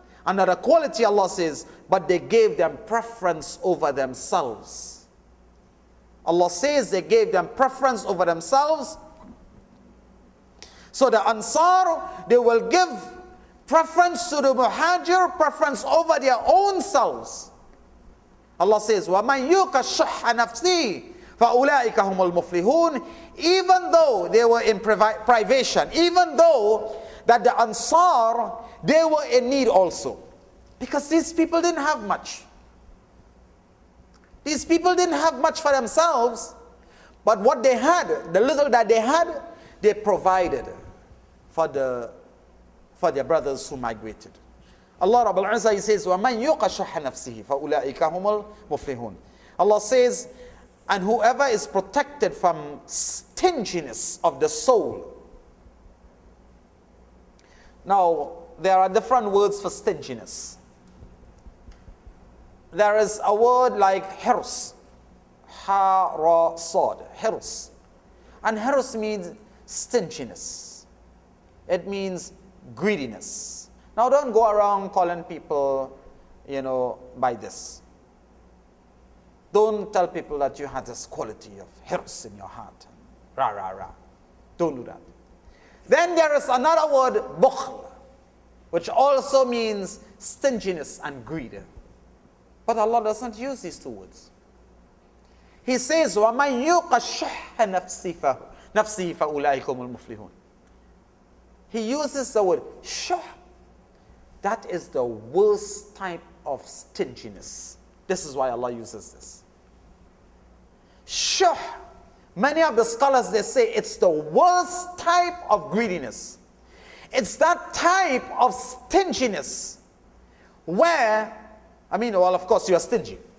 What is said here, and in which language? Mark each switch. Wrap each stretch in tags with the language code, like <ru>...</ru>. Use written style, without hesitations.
<en>Another quality, Allah says, but they gave them preference over themselves. Allah says they gave them preference over themselves. So the Ansar, they will give preference to the Muhajir, preference over their own selves. Allah says,</en> <ar>وَمَنْ يُوكَ شُحَّ نَفْسِهِ فَأُولَٰئِكَ هُمُ الْمُفْلِحُونَ.</ar> <en>Even though they were in privation, even though that the Ansar, they were in need also. Because these people didn't have much. These people didn't have much for themselves. But what they had, the little that they had, they provided for their brothers who migrated. Allah Rabbul Izzah, he says,</en> <ar>وَمَنْ يُوقَ شُحَّ نَفْسِهِ فَأُولَٰئِكَ هُمُ الْمُفْلِحُونَ.</ar> <en>Allah says, and whoever is protected from stinginess of the soul. Now, there are different words for stinginess. There is a word like hirs. Ha-ra-sad. Hirs. And hirs means stinginess. It means greediness. Now, don't go around calling people, you know, by this. Don't tell people that you have this quality of hirs in your heart. Ra, ra, ra. Don't do that. Then there is another word, bukhl, which also means stinginess and greed. But Allah doesn't use these two words. He says,</en> <ar>وَمَنْ يُوقَ شُحَّ نَفْسِهِ فَأُولَٰئِكُمُ الْمُفْلِحُونَ.</ar> <en>He uses the word shuh. That is the worst type of stinginess. This is why Allah uses this. Shuh. Many of the scholars, they say it's the worst type of greediness. It's that type of stinginess where, I mean, well, of course, you are stingy.</en>